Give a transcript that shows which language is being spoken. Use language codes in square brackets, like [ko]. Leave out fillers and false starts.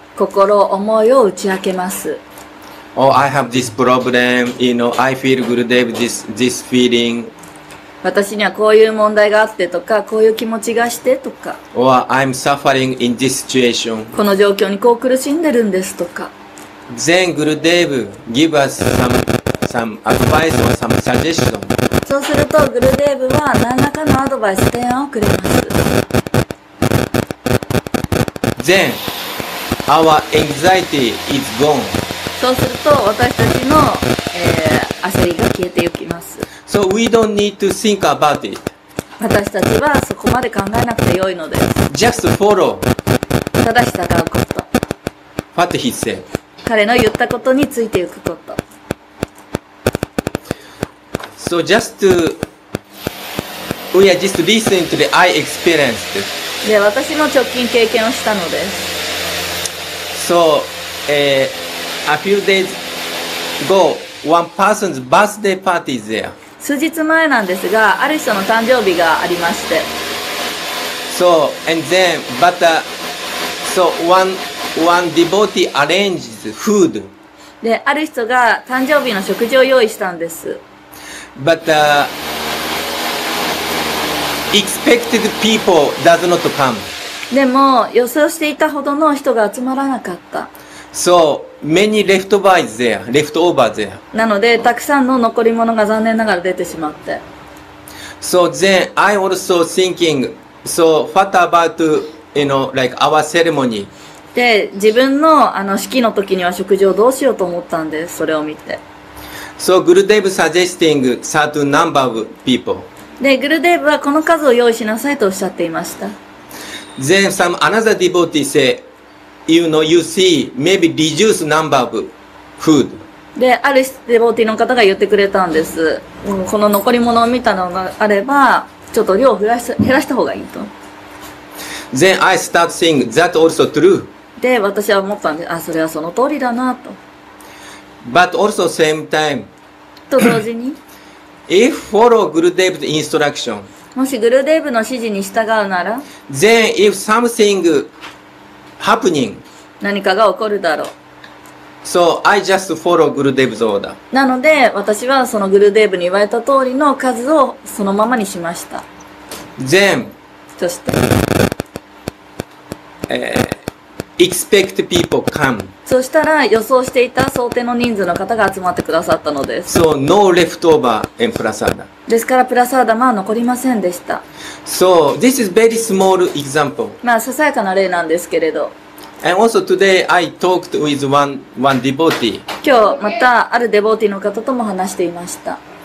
[ja] 心、思いを打ち明けます。 [en] Oh, I have this problem. You know, I feel グルデーブ this feeling. [ja] 私にはこういう問題があってとか、こういう気持ちがしてとか。 [en] Or I'm suffering in this situation. [ja] この状況にこう苦しんでるんですとか。 [en] Then Gurudev give us some advice or some suggestion. [ja] そうすると、グルデーブは何らかのアドバイス、提案をくれます。 [en] Then our anxiety is gone. [ja] そうすると、私たちの、焦りが消えていきます。 [en] So we don't need to think about it. [ja] 私たちはそこまで考えなくてよいのです。 [en] Just follow. [ja] ただ従うこと。 [en] What he said. [ja] 彼の言ったことについていくこと。 [en] So just to, we are just listening to the I experienced. [ja] で、私の直近経験をしたのです。 [en] So, a few days ago, one person's birthday party is there. [ja] 数日前なんですが、ある人の誕生日がありまして。 [en] So, and then, but, so one devotee arranges food. [ja] で、ある人が誕生日の食事を用意したんです。 [en] But, expected people does not come. [ja] でも、予想していたほどの人が集まらなかった。 [en] So, many leftovers there, leftovers there. [ja] なので、たくさんの残り物が残念ながら出てしまって。 [en] So then, I also thinking, so what about, you know, like our ceremony? [ja] で、自分の、あの、式の時には食事をどうしようと思ったんです、それを見て。 [en] So, Gurudev suggesting certain number of people. [ja] で、Gurudev はこの数を用意しなさいとおっしゃっていました。 [en] Then, some another devotee say, you know, you see, maybe reduce number of food. [ja] で、ある devotee の方が言ってくれたんです。この残り物を見たのがあれば、ちょっと量を減らした方がいいと。 [en] Then I start saying that also true. [ja] で、私は思ったんです。あ、それはその通りだなと。 [en] But also same time. [ja] と同時に。 [en] If follow Gurudev's instruction. [ja] もしGurudevの指示に従うなら。 [en] Then if something happening. [ja] 何かが起こるだろう。 [en] So I just follow Gurudev's order. [ja] なので、私はそのGurudevに言われた通りの数をそのままにしました。 [en] Then. [ja] そして。 [en] Expect people come. [ja] そしたら予想していた想定の人数の方が集まってくださったのです。 [en] So no leftover and prasada. [ja] ですからプラサーダは残りませんでした。 [en] So this is very small example. [ja] まあささやかな例なんですけれど。 [en] And also today I talked with one devotee. [ja] 今日またあるデボーティーの方とも話していました。